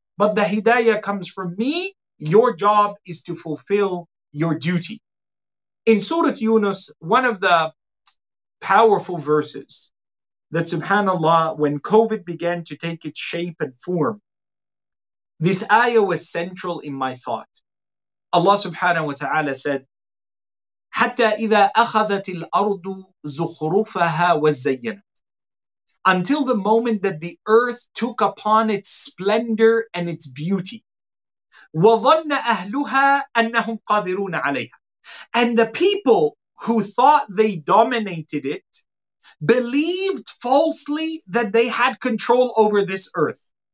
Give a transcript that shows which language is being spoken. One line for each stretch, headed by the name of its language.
English: But the hidayah comes from me. Your job is to fulfill your duty. In Surah Yunus, one of the powerful verses that subhanAllah, when COVID began to take its shape and form, this ayah was central in my thought.
Arabic: Allah subhanahu wa ta'ala said, حَتَّى إِذَا أَخَذَتِ الْأَرْضُ زُخْرُفَهَا وَزَّيَّنَتْ.
English: Until the moment that the earth took upon its splendor and its beauty.
Arabic: وَظَنَّ أَهْلُهَا أَنَّهُمْ قَادِرُونَ عَلَيْهَا.
English: And the people who thought they dominated it believed falsely that they had control over this earth.